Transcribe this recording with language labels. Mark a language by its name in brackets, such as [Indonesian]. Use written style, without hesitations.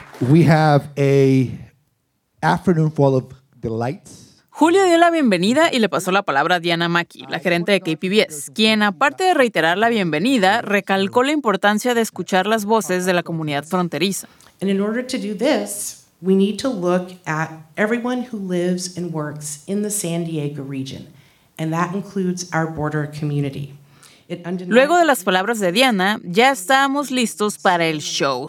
[English] We have a afternoon full of delights. [Spanish] Julio dio la bienvenida y le pasó la palabra a Diana Mackey, la gerente de KPBS, quien, aparte de reiterar la bienvenida, recalcó la importancia de escuchar las voces de la comunidad fronteriza. [English] And in order to do this, we need to look at everyone who lives and works in the San Diego region, and that includes our border community. [Spanish] Luego de las palabras de Diana, ya estábamos listos para el show.